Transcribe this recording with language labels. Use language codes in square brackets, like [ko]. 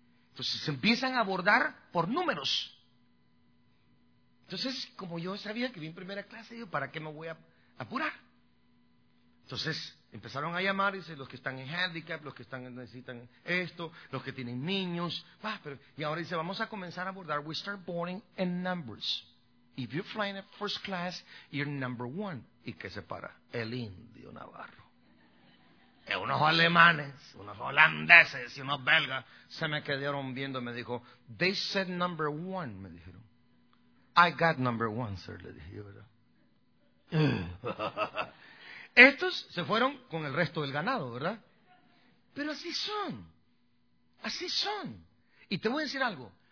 [es] Entonces se empiezan a abordar por números. Entonces, como yo sabía que vi en primera clase, yo, ¿para qué me voy a apurar? Entonces, empezaron a llamar, dice, los que están en handicap, los que están necesitan esto, los que tienen niños. Y ahora dice, vamos a comenzar a abordar. [en] We start boarding in numbers. If you're flying at first class, you're number one. [es] ¿Y qué se para? El indio navarro. Y unos alemanes, unos holandeses y unos belgas se me quedaron viendo. Me dijo, [en] they said number one, [es] me dijeron. [en] I got number one, sir, [es] le dije yo. Estos se fueron con el resto del ganado, ¿verdad? Pero así son. Así son. Y te voy a decir algo.